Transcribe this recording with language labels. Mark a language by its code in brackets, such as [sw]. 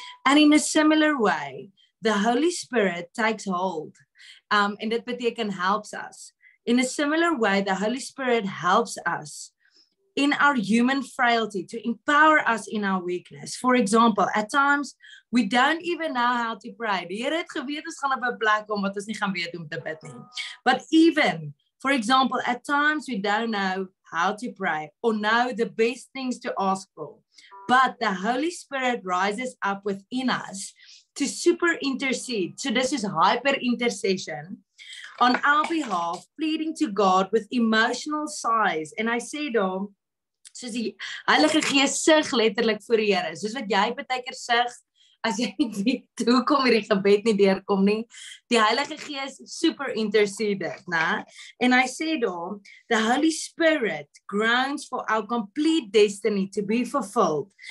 [en] and in a similar way, the Holy Spirit takes hold, [af] en dit beteken [en] helps us, in a similar way, the Holy Spirit helps us, in our human frailty, to empower us in our weakness. For example, at times, we don't even know how to pray. [af] Die Here het geweet, ons gaan op 'n plek kom, wat ons nie gaan weet om te bid nie. [en] But even, for example, at times, we don't know how to pray, or know the best things to ask for. But the Holy Spirit rises up within us to super intercede. So this is hyper intercession. On our behalf, pleading to God with emotional sighs. And I say though, [af] soos die Heilige Gees sug letterlik voor die Here. Soos wat jy partykeer sug, as jy nie weet hoekom hierdie gebed nie deurkom nie. Die Heilige Gees super interceded, na? [en] And I say though, the Holy Spirit groans for our complete destiny to be fulfilled.